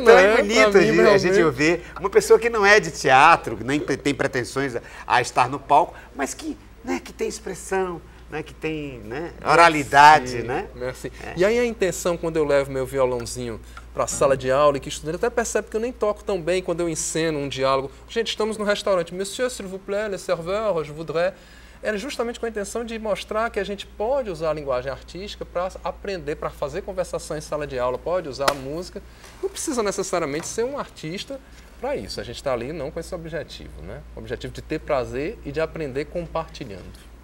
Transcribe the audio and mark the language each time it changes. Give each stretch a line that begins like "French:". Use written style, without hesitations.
Portuguese: Então é bonito a gente ouvir uma pessoa que não é de teatro, que nem tem pretensões a estar no palco, mas que, né, que tem expressão. Né, que tem, né, oralidade.
French: Merci.
Portuguese: Né?
French: Merci. É.
Portuguese: E aí a intenção, quando eu levo meu violãozinho para a sala de aula, e que o estudante até percebe que eu nem toco tão bem quando eu enceno um diálogo. Gente, estamos no restaurante.
French: Monsieur, s'il vous plaît, le serveur, je voudrais.
Portuguese: Era justamente com a intenção de mostrar que a gente pode usar a linguagem artística para aprender, para fazer conversação em sala de aula, pode usar a música. Não precisa necessariamente ser um artista para isso. A gente está ali não com esse objetivo. Né? O objetivo de ter prazer e de aprender compartilhando.